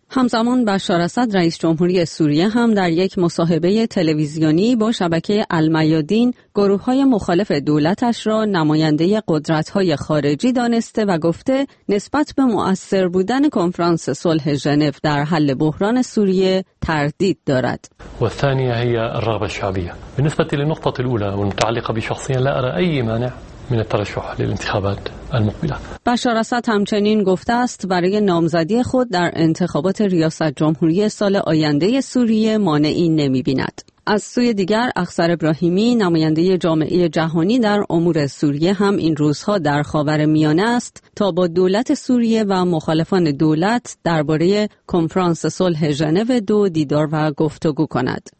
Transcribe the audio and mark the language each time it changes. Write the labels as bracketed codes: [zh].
[fa] همزمان بشار اسد رئیس جمهوری سوریه هم در یک مصاحبه تلویزیونی با شبکه المیادین گروه‌های مخالف دولتش را نماینده قدرت‌های خارجی دانسته و گفته نسبت به مؤثر بودن کنفرانس صلح ژنو در حل بحران سوریه تردید دارد. [ar] و الثانيه هي الرغبه الشعبيه بالنسبه للنقطه الاولى والمتعلقه بشخصيا لا ارى اي مانع من الترشح للانتخابات المقبله. [fa] بشار اسد همچنین گفته است برای نامزدی خود در انتخابات ریاست جمهوری سال آینده سوریه مانعی نمی‌بیند. از سوی دیگر اخضر ابراهیمی نماینده جامعه جهانی در امور سوریه هم این روزها در خاورمیانه است تا با دولت سوریه و مخالفان دولت درباره کنفرانس صلح ژنو دو دیدار و گفتگو کند.